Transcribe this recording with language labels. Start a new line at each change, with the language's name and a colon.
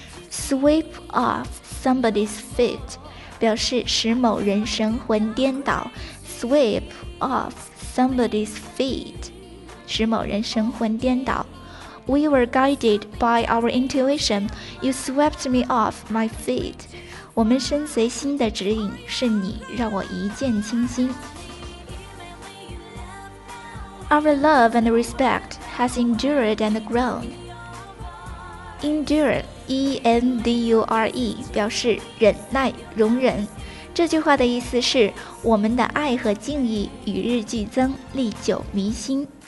English: Sweep off somebody's feet
Chinese: 表示使某人神魂颠倒。
English: Sweep off somebody's feet
Chinese: 使某人神魂颠倒。
English: We were guided by our intuition. You swept me off my feet.
Chinese: 我们身随心的指引，是你让我一见倾心。
English: Our love and respect has endured and grown.
Chinese: Endure, E-N-D-U-R-E 表示忍耐、容忍。这句话的意思是，我们的爱和敬意与日俱增，历久弥新。